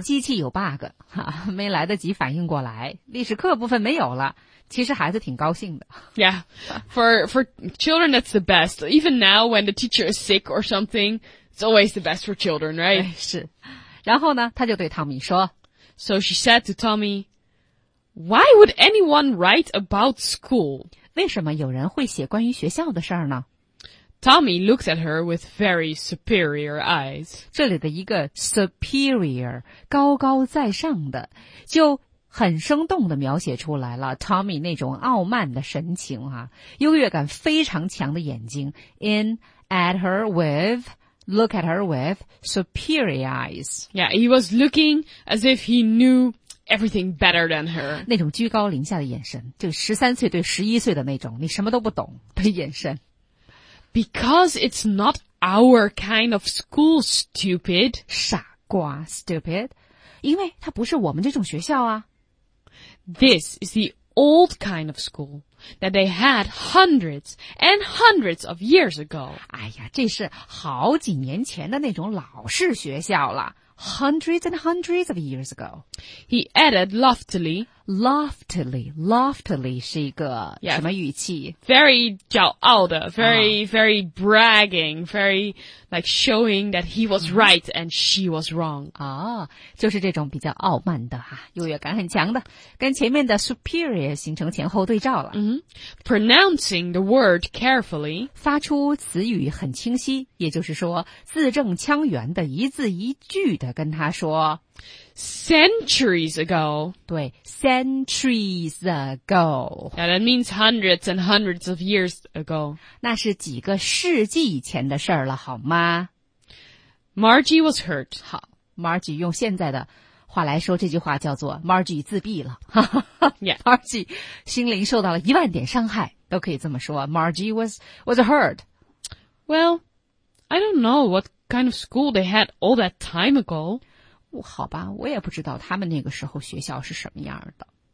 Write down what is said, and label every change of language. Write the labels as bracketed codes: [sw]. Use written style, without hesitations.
[zh] 机器有 bug， 哈，没来得及反应过来，历史课部分没有了。其实孩子挺高兴的。 [en] Yeah, for children, that's the best. Even now, when the teacher is sick or something, it's always the best for children, right? [zh] 是。然后呢，他就对汤米说。 [en] So she said to Tommy, why would anyone write about school? [zh] 为什么有人会写关于学校的事儿呢？ [en] Tommy looked at her with very superior eyes. [zh] 这里的一个 superior, 高高在上的，就很生动地描写出来了 Tommy 那种傲慢的神情啊，优越感非常强的眼睛 [en] in at her with look at her with superior eyes. Yeah, he was looking as if he knew everything better than her. [zh] 那种居高临下的眼神，就13岁对11岁的那种你什么都不懂的眼神。 [en] Because it's not our kind of school, stupid. [zh] 傻瓜 stupid， 因为它不是我们这种学校啊。 [en] This is the old kind of school that they had hundreds and hundreds of years ago. [zh] 哎呀，这是好几年前的那种老式学校了。 [en] Hundreds and hundreds of years ago. He added loftily. Loftily. [zh] Loftily 是一个什么语气？ [en] Yeah, very [zh] 骄傲的 [en] very,、uh-huh. very bragging, very like showing that he was right and she was wrong. 哦、uh-huh. [zh] 就是这种比较傲慢的啊，优越感很强的，跟前面的 superior 形成前后对照了。 Mm-hmm. [en] Pronouncing the word carefully. [zh] 发出词语很清晰，也就是说字正腔圆的一字一句的跟他说 [en] centuries ago，对 centuries ago， yeah, that means hundreds and hundreds of years ago， [zh] 那是几个世纪以前的事儿了好吗？ [en] Margie was hurt。 [zh] 好， Margie 用现在的话来说这句话叫做 Margie 自闭了。 [en] Yeah， [zh] Margie 心灵受到了一万点伤害，都可以这么说。 [en] Margie was hurt。 Well， I don't know whatkind of school they had all that time ago. [zh] 好吧，我也不知道他们那个时候学校是什么样的。